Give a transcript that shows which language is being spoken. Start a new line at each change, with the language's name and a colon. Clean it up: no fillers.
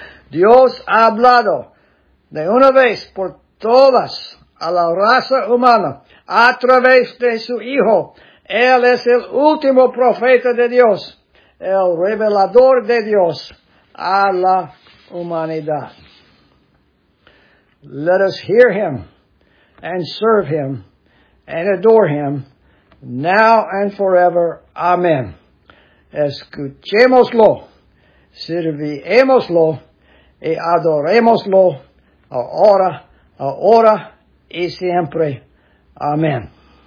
Spanish: Dios ha hablado de una vez por todas a la raza humana a través de su Hijo. Él es el último profeta de Dios, el revelador de Dios a la humanidad.
English: Let us hear him and serve him and adore him now and forever. Amen.
Spanish: Escuchémoslo, sirviémoslo y adorémoslo ahora y siempre. Amen.